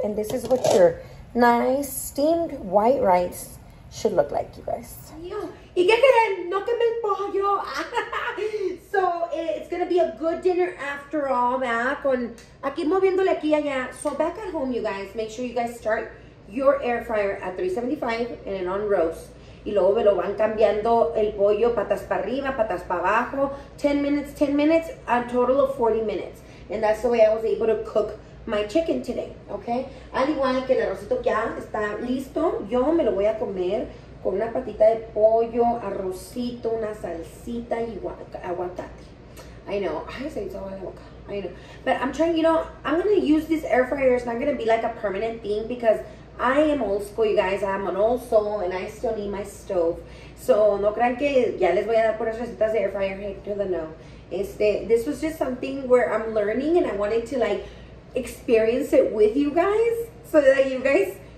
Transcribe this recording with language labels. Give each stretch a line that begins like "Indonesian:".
English: And this is what your nice steamed white rice should look like, you guys.
Spanish: ¿Y qué creen? No queme el pollo.
English: So, it's gonna be a good dinner after all,
Spanish: ¿verdad? Con aquí moviéndole aquí allá.
English: So, back at home, you guys, make sure you guys start your air fryer at 375 and then on roast.
Spanish: Y luego me lo van cambiando el pollo patas para arriba, patas para abajo.
English: 10 minutes, 10 minutes, a total of 40 minutes. And that's the way I was able to cook my chicken today, okay?
Spanish: Al igual que el arrocito ya está listo, yo me lo voy a comer con una patita de pollo, arrocito, una salsita y aguacate.
English: I know. I say it's all in the boca. I know. But I'm trying, you know, I'm going to use this air fryer. It's not going to be like a permanent thing because I am old school, you guys. I'm an old soul and I still need my stove. So,
Spanish: no crean que ya les voy a dar puras recetas de air fryer.
English: Hey, to the no. This was just something where I'm learning and I wanted to, like, experience it with you guys so that you guys...